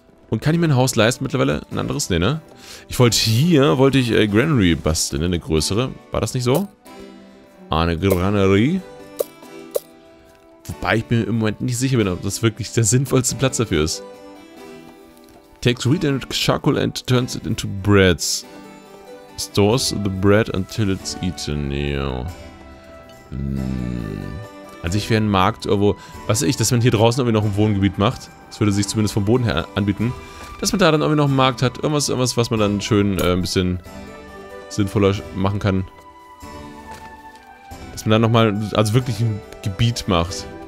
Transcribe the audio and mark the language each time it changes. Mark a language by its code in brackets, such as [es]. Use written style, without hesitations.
[de] Und kann ich mir ein Haus leisten mittlerweile? Ein anderes? Nee, ne? Ich wollte hier, Granary basteln. Ne? Eine größere. War das nicht so? Eine Granary. Wobei ich mir im Moment nicht sicher bin, ob das wirklich der sinnvollste Platz dafür ist. [en] Takes wheat and charcoal and turns it into breads. Stores the bread until it's eaten. [de] Ja. Also ich wäre ein Markt irgendwo... Was weiß ich, dass man hier draußen irgendwie noch ein Wohngebiet macht. Das würde sich zumindest vom Boden her anbieten. Dass man da dann irgendwie noch einen Markt hat. Irgendwas, was man dann schön ein bisschen sinnvoller machen kann. Dass man dann nochmal, also wirklich ein Gebiet macht.